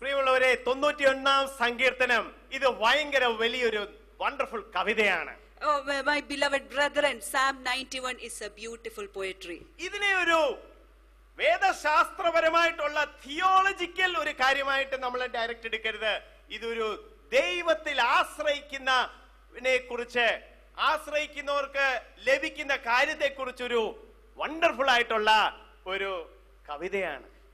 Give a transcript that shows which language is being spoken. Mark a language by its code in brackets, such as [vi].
[ml] പ്രിയമുള്ളവരെ, 91-ാം സങ്കീർത്തനം ഇത് വളരെ വലിയൊരു വണ്ടർഫുൾ കവിതയാണ്. [en] Oh my beloved brethren, Psalm 91 is a beautiful poetry. [ml] ഇതിനെ ഒരു വേദശാസ്ത്രപരമായിട്ടുള്ള തിയോളജിക്കൽ ഒരു കാര്യമായിട്ട് നമ്മൾ ഡയറക്റ്റ് എടുക്കരുത്. ഇതൊരു ദൈവത്തിൽ ആശ്രയിക്കുന്നതിനെ കുറിച്ച്, ആശ്രയിക്കുന്നവർക്ക് ലഭിക്കുന്ന കാര്യത്തെ കുറിച്ചൊരു വണ്ടർഫുൾ ആയിട്ടുള്ള ഒരു കവിതയാണ്.